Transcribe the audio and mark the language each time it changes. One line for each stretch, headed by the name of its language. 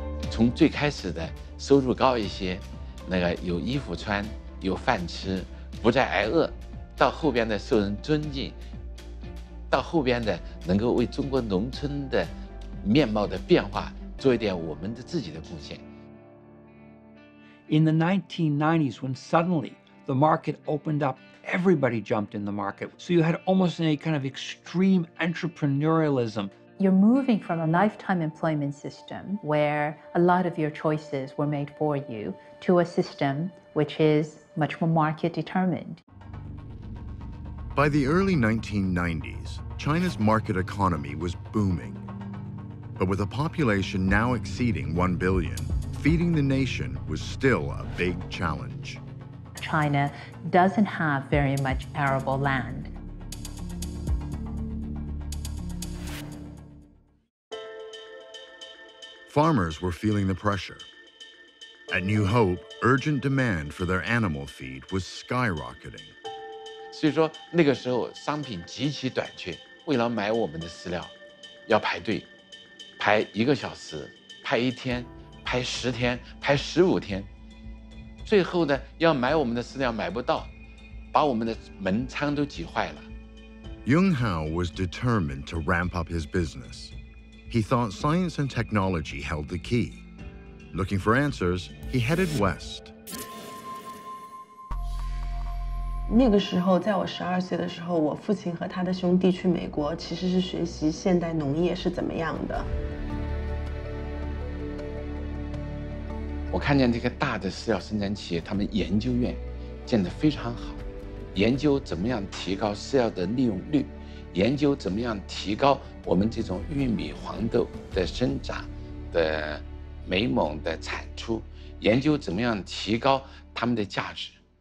Chinese: 从最开始的收入高一些，那个有衣服穿，有饭吃，不再挨饿，到后边的受人尊敬，到后边的能够为中国农村的面貌的变化做一点我们的自己的贡献。
English: In the 1990s, when suddenly the market opened up, everybody jumped in the market. So you had almost a kind of extreme entrepreneurialism. You're moving from a lifetime employment system where a lot of your choices were made for you to a system which is much more market determined. By the early 1990s, China's market economy was booming. But with a population now exceeding 1 billion,feeding the nation was still a big challenge. China doesn't have very much arable land. Farmers were feeling the pressure. At New Hope, urgent demand for their animal feed was skyrocketing.
Chinese: 所以说那个时候商品极其短缺，为了买我们的饲料要排队，排一个小时，排一天，排十天，排15天，最后呢，要买我们的饲料买不到，把我们的门仓都挤坏了。
English: Yung Hao was determined to ramp up his business. He thought science and technology held the key. Looking for answers, he headed west.
Chinese: 那个时候，在我12岁的时候，我父亲和他的兄弟去美国，其实是学习现代农业是怎么样的。我看见这个大的饲料生产企业，他们研究院建得非常好，研究怎么样提高饲料的利用率，研究怎么样提高我们这种玉米黄豆的生长的每亩的产出，研究怎么样提高它们的价值。